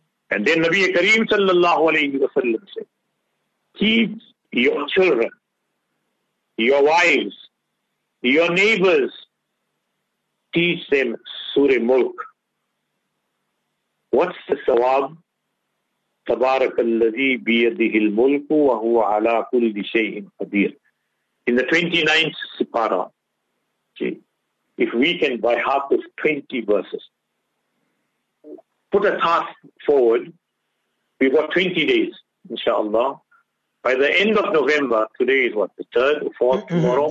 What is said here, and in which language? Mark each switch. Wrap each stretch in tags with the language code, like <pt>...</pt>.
<en>And then Nabi Kareem sallallahu alayhi wa sallam said, keep your children, your wives, your neighbors, teach them Surah Mulk. What's the sawab?</en> <ar>تبارك الذي بيده الملك وهو على كل شيء قدير.</ar> <en>In the 29th sipara, okay, if we can by half this 20 verses, put a task forward, we've got 20 days, inshallah. By the end of November, today is what, the 3rd, 4th, tomorrow?</en>